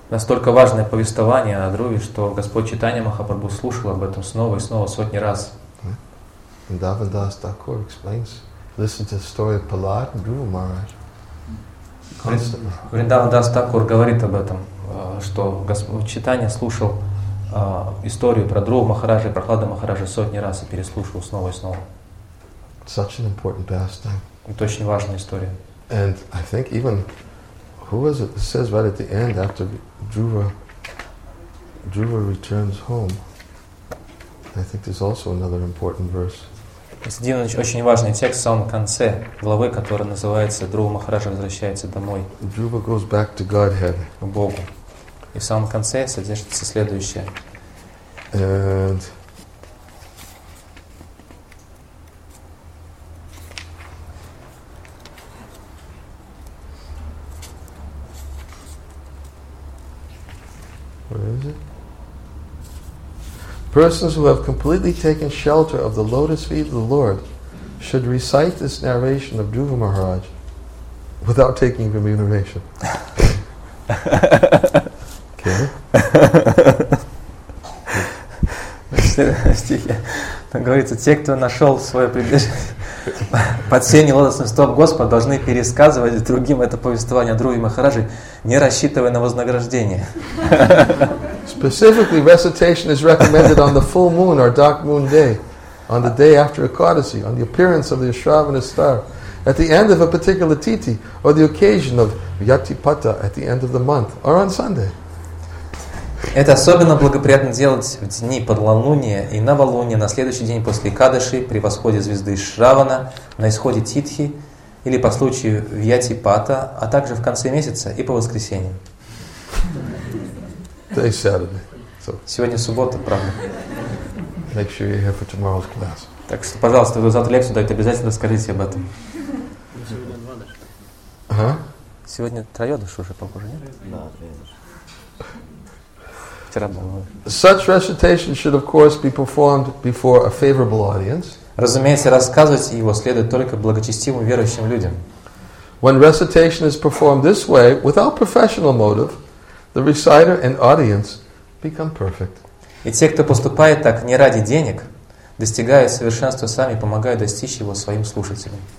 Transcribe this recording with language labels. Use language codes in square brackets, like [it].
[ru] Настолько важное повествование о Друве, что Господь Чайтанья Махапрабху слушал об этом снова и снова сотни раз. [en] And Давандас Такур explains, listen to the story of Pallad and Dhruva Maharaj. [ru] Вриндавандас Такур говорит об этом, что Господь Чайтанья слушал историю про Дхрува Махараджа и Прахлада Махараджа сотни раз и переслушивал снова и снова. [en] Such an important pastime. [ru] Это очень важная история. [en] And I think even who was it? It says right at the end after Dhruva returns home. I think there's also another important verse. [ru] Есть один очень важный текст в самом конце главы, который называется «Дхрува Махараджа возвращается домой». [en] Dhruva goes back to Godhead. [ru] К Богу. И в самом конце содержится следующее. [en] And persons who have completely taken shelter of the lotus feet of the Lord should recite this narration of Dhruva Maharaj without taking remuneration. Okay. [ru] Стихи. Там говорится, те, кто нашел свое прибежище под сенью лотосных стоп Господа, должны пересказывать другим это повествование Дхруве Махараджи, не рассчитывая на вознаграждение. [en] Specifically, recitation is recommended on the full moon or dark moon day, on the day after Ekadasi, on the appearance of the Ashravana star, at the end of a particular titi, or the occasion of Yatipata at the end of the month, or on Sunday. [ru] Это особенно благоприятно делать в дни подлалуния и новолуния, на следующий день после Экадаши, при восходе звезды Шравана, на исходе Титхи, или по случаю Вьятипата, а также в конце месяца и по воскресеньям. [en] Today's Saturday. So, [ru] сегодня суббота, правда. [en] Make sure you're here for tomorrow's class. [ru] Так что, пожалуйста, вы завтра лекцию дайте, обязательно скажите об этом. Ага. Сегодня троёдыш уже, похоже, нет? Да, троёдыш. Вчера было. [en] Such recitation should, of course, be performed before a favorable audience. [ru] Разумеется, рассказывать его следует только благочестивым верующим людям. [en] When recitation is performed this way, without professional motive, the reciter and audience become perfect. [ru] И те, кто поступает так не ради денег, достигая совершенства сами, помогают достичь его своим слушателям.